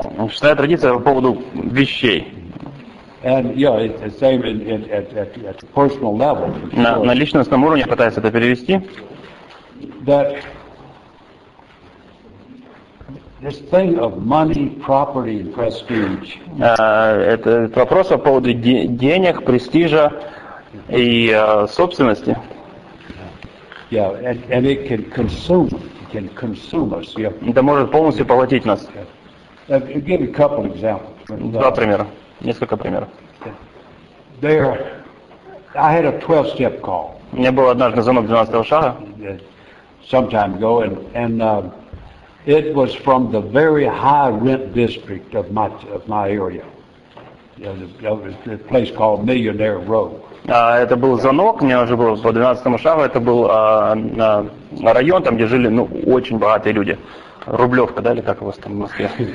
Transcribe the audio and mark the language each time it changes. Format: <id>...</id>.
<ru>Шестая традиция по поводу вещей.</ru> <en>And it's same at personal level.</en> <ru>На личностном уровне пытаюсь это перевести.</ru> <en>That this thing of money, property, and prestige.</en> <ru>Это вопрос о поводу денег, престижа и собственности.</ru> <en>Yeah, and it can consume. It can consume us. Yeah.</en> <ru>Это может полностью поглотить нас.</ru> <en>Give a couple examples.</en> <ru>Два примера. Несколько примеров.</ru> <en>There, I had a 12-step call.</en> <ru>У меня был однажды звонок 12-го шага.</ru> <en>Some time ago, and it was from the very high rent district of my area. The place called Millionaire Row.</en> <ru>Это был звонок. Мне уже было по 12-му шагу. Это был район, там где жили очень богатые люди. Рублевка, да, или как у вас там в Москве?</ru>